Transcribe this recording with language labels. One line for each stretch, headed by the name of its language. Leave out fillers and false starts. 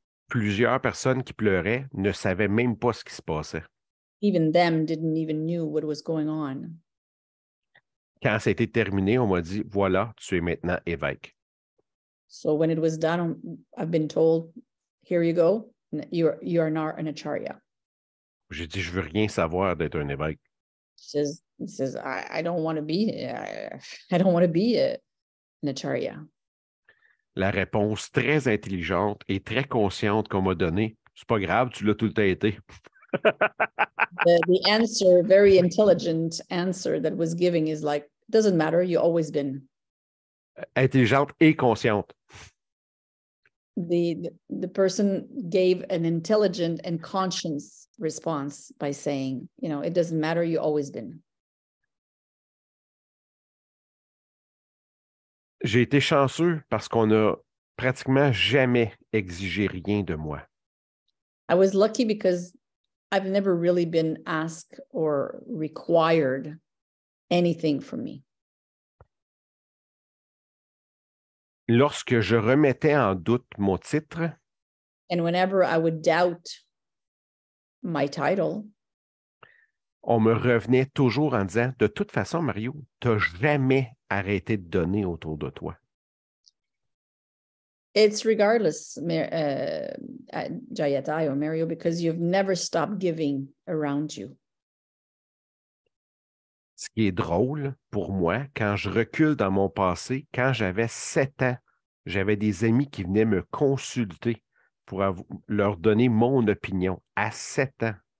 French: Plusieurs personnes qui pleuraient ne savaient même pas ce qui se passait.
English: Even them didn't even know what was going on.
French: Quand ça a été terminé, on m'a dit, voilà, tu es maintenant évêque.
English: So when it was done, I've been told, here you go, you are not an acharya.
French: J'ai dit, je veux rien savoir d'être un évêque.
English: He says, I don't want to be an acharya.
French: La réponse très intelligente et très consciente qu'on m'a donnée, c'est pas grave, tu l'as tout le temps été.
English: The answer, very intelligent answer that was giving is like, doesn't matter, you've always been.
French: Intelligente et consciente.
English: The person gave an intelligent and conscious response by saying, you know, it doesn't matter, you've always been.
French: J'ai été chanceux parce qu'on n'a pratiquement jamais exigé rien de moi.
English: I was lucky because I've never really been asked or required anything from me.
French: Lorsque je remettais en doute mon titre,
English: and whenever I would doubt my title,
French: on me revenait toujours en disant, de toute façon, Mario, tu n'as jamais arrêté de donner autour de toi.
English: It's regardless, Jaya Tay or Mario, because you've never stopped giving around you.
French: Ce qui est drôle pour moi, quand je recule dans mon passé, quand j'avais 7 ans, j'avais des amis qui venaient me consulter pour leur donner mon opinion à 7 ans.